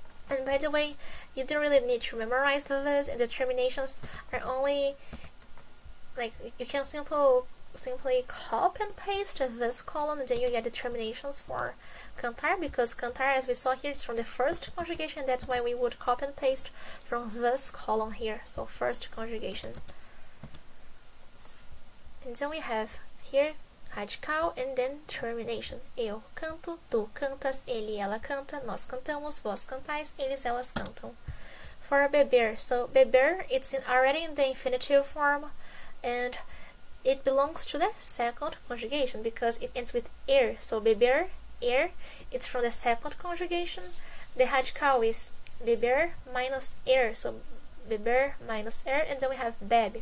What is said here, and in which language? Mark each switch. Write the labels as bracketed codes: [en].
[en] And by the way, you don't really need to memorize this, and the terminations are only like, you can simply copy and paste this column, and then you get the terminations for cantar, because cantar, as we saw here, it's from the first conjugation. That's why we would copy and paste from this column here. So first conjugation, and then we have here hachikau, and then termination. [pt] Eu canto, tu cantas, ele, ela canta, nós cantamos, vós cantais, eles, elas cantam. [en] For beber, so beber, it's already in the infinitive form, and it belongs to the second conjugation because it ends with er. So beber, er, it's from the second conjugation. The hachikau is beber minus er, so beber minus er, and then we have beb.